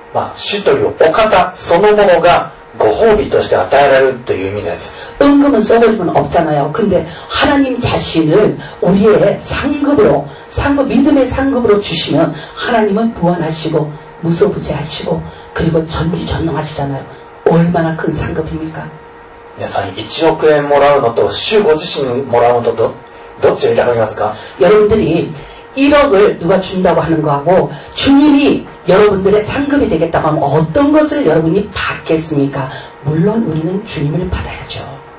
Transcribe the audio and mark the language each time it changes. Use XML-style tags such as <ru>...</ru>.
<ja>主ご自身がご褒美として与える、主まるまる一体、主というお方そのものが 고褒美として与えられるという意味です.</ja> <ko>은금은 써버리면 없잖아요. 근데 하나님 자신을 우리의 상급으로, 상급, 믿음의 상급으로 주시면 하나님은 무한하시고 무소부재하시고 그리고 전지전능하시잖아요. 얼마나 큰 상급입니까?</ko> <ja>皆さん1億円もらうのと主ご自身もらうのとどっちを選びますか?</ja> <ko>여러분들이 1억을 누가 준다고 하는 거하고 주님이 여러분들의 상급이 되겠다고 하면 어떤 것을 여러분이 받겠습니까? 물론 우리는 주님을 받아야죠.</ko>